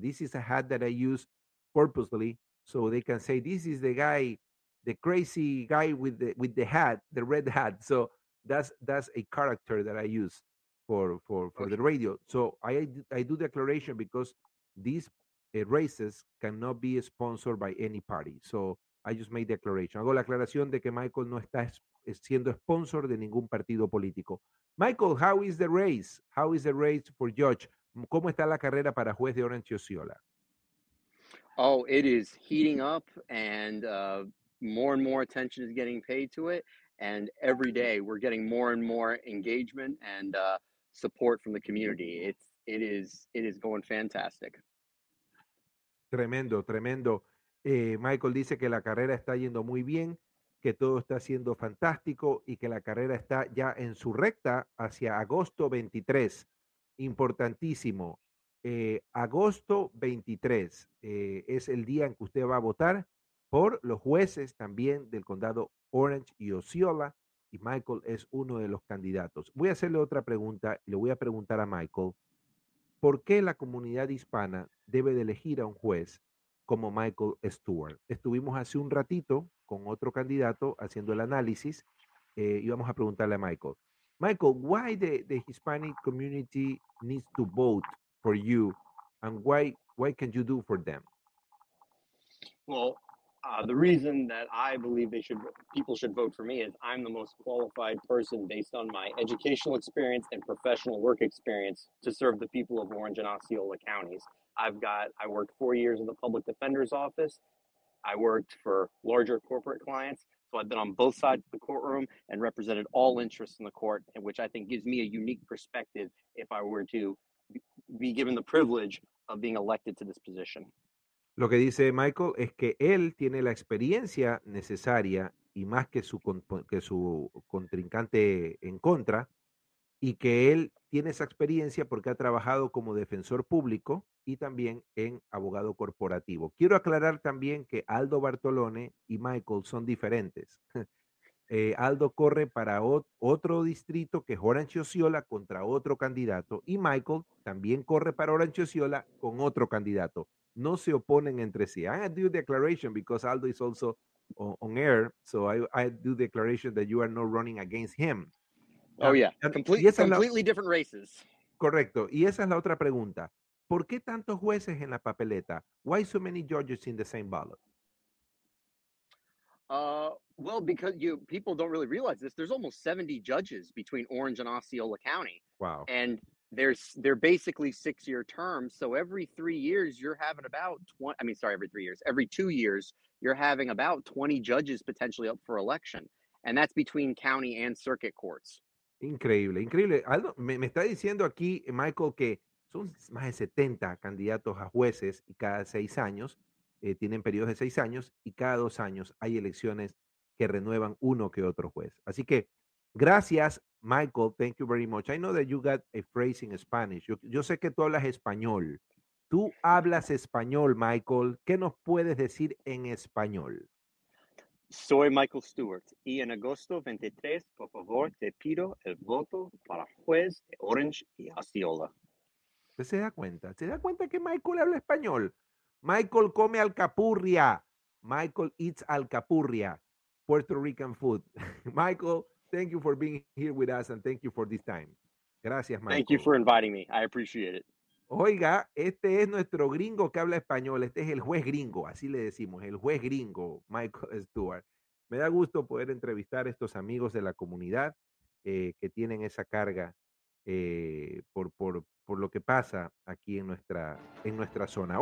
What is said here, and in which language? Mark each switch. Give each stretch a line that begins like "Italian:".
English: This is a hat that I use purposely so they can say, this is the guy, the crazy guy with the hat, the red hat. So that's a character that I use for okay. the radio. So I do declaration because these races cannot be sponsored by any party. So I just made declaration.
Spanish: Hago la aclaración de que Michael no está siendo sponsor de ningún partido político.
English: Michael, how is the race? How is the race for Judge?
Spanish: ¿Cómo está la carrera para juez de Orange y Osceola?
English: Oh, it is heating up and more and more attention is getting paid to it. And every day we're getting more and more engagement and support from the community. It is going fantastic.
Spanish: Tremendo, tremendo. Michael dice que la carrera está yendo muy bien, que todo está siendo fantástico y que la carrera está ya en su recta hacia agosto 23. Importantísimo. Agosto 23 es el día en que usted va a votar por los jueces también del condado Orange y Osceola, y Michael es uno de los candidatos. Voy a hacerle otra pregunta y le voy a preguntar a Michael, ¿por qué la comunidad hispana debe de elegir a un juez como Michael Stewart? Estuvimos hace un ratito con otro candidato haciendo el análisis y vamos a preguntarle a Michael.
English: Michael, why the Hispanic community needs to vote for you, and why can you do for them? Well, the reason that I believe people should vote for me is I'm the most qualified person based on my educational experience and professional work experience to serve the people of Orange and Osceola counties. I worked 4 years in the public defender's office. I worked for larger corporate clients. So I've been on both sides of the courtroom and represented all interests in the court, which I think gives me a unique perspective if I were to be given the privilege of being elected to this position.
Spanish: Lo que dice Michael es que él tiene la experiencia necesaria y más que su contrincante en contra, y que él tiene esa experiencia porque ha trabajado como defensor público y también en abogado corporativo. Quiero aclarar también que Aldo Bartolone y Michael son diferentes. Aldo corre para otro distrito que es Orange y Osceola contra otro candidato, y Michael también corre para Orange y Osceola con otro candidato. No se oponen entre sí.
English: I do the declaration because Aldo is also on air, so I do the declaration that you are not running against him. Completely different races.
Spanish: Correcto. Y esa es la otra pregunta. ¿Por qué tantos jueces en la papeleta?
English: Why so many judges in the same ballot? Well, because people don't really realize this. There's almost 70 judges between Orange and Osceola County. Wow. And they're basically six-year terms. So every 3 years, you're having about 20. I mean, sorry, every 3 years. Every 2 years, you're having about 20 judges potentially up for election. And that's between county and circuit courts.
Spanish: Increíble, increíble. Aldo, me está diciendo aquí, Michael, que son más de 70 candidatos a jueces y cada 6 años, tienen periodos de 6 años, y cada 2 años hay elecciones que renuevan uno que otro juez. Así que, gracias, Michael.
English: Thank you very much. I know that you got a phrase in Spanish.
Spanish: Yo sé que tú hablas español. Tú hablas español, Michael. ¿Qué nos puedes decir en español? Soy Michael Stewart, y en agosto 23, por favor, te pido el voto para juez de Orange y Osceola. ¿Usted se da cuenta? ¿Se da cuenta que Michael habla español? Michael come alcapurria.
English: Michael eats alcapurria. Puerto Rican food. Michael, thank you for being here with us, and thank you for this time.
Spanish: Gracias, Michael.
English: Thank you for inviting me. I appreciate it.
Spanish: Oiga, este es nuestro gringo que habla español. Este es el juez gringo, así le decimos, el juez gringo, Michael Stewart. Me da gusto poder entrevistar a estos amigos de la comunidad que tienen esa carga por lo que pasa aquí en nuestra zona.